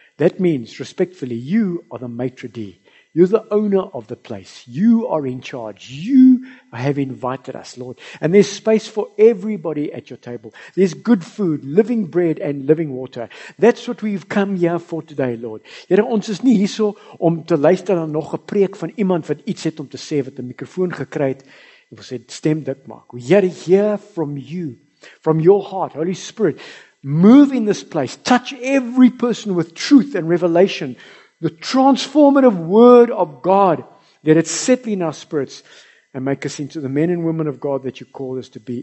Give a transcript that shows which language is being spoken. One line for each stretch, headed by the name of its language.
English: That means, respectfully, you are the maitre d'. You're the owner of the place. You are in charge. You have invited us, Lord. And there's space for everybody at your table. There's good food, living bread, and living water. That's what we've come here for today, Lord.
Afrikaans: Here ons is nie hierso om te luister na nog 'n preek van iemand wat iets het om te sê wat 'n mikrofoon gekry het. Ek wil sê stem dik maak.
English: We here hear from you, from your heart, Holy Spirit. Move in this place. Touch every person with truth and revelation. The transformative word of God, let it settle in our spirits and make us into the men and women of God that you call us to be.